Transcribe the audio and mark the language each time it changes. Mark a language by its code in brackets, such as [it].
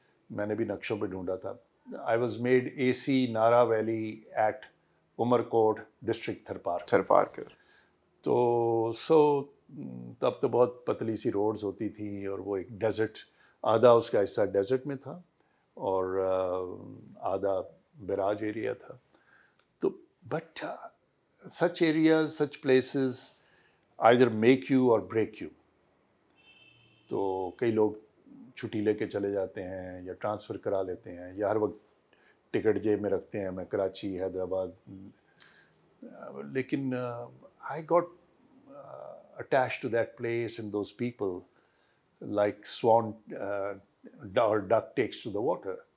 [ur] میں نے بھی نقشوں پہ ڈھونڈا تھا. [en] I was made a see Nara valley at Umerkot district Tharparkar. [ur] تو سو تب تو بہت پتلی سی روڈز ہوتی تھیں اور وہ ایک ڈیزرٹ, آدھا اس کا حصہ ڈیزرٹ میں تھا اور آدھا بیراج ایریا تھا. [en] تو but such areas such places either make you or break you. [ur] تو کئی لوگ چھٹی لے کے چلے جاتے ہیں یا ٹرانسفر کرا لیتے ہیں یا ہر وقت ٹکٹ جیب میں رکھتے ہیں میں کراچی حیدرآباد. [en] لیکن I got attached to that place and those people like swan or duck takes to the water.